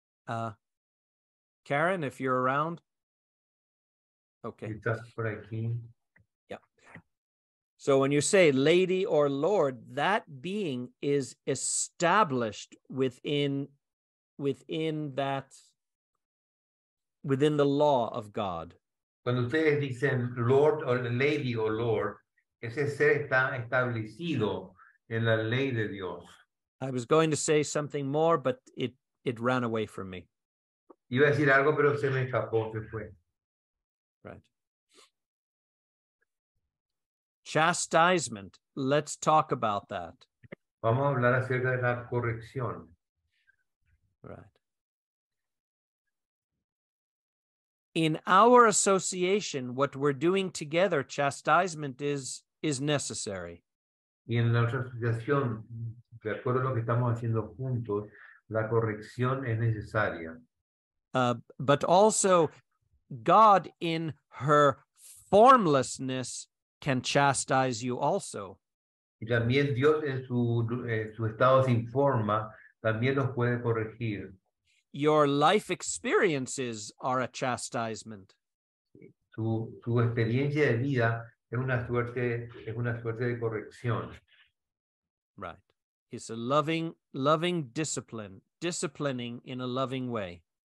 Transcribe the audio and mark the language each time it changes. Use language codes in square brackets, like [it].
[en] Okay. Karen, if you're around. Okay. [es] Estás por aquí. [en] So when you say lady or lord, that being is established within the law of God. [es] Cuando ustedes dicen [en] lord or lady or lord, [es] ese ser está establecido en la ley de Dios. [en] I was going to say something more, but it ran away from me. [es] Iba a decir algo, pero se me escapó, se fue. [en] right. Chastisement. Let's talk about that. [es] Vamos a hablar acerca de la corrección. [en] Right. In our association, what we're doing together, chastisement is necessary. [es] Y en nuestra asociación, de acuerdo a lo que estamos haciendo juntos, la corrección es necesaria. [en] But also, God in her formlessness can chastise you also. [es] Y también Dios en su estado sin forma también los puede corregir. [en] Your life experiences are a chastisement. [es] Su experiencia de vida es una suerte de corrección. [en] Right. It's a loving discipline, disciplining in a loving way.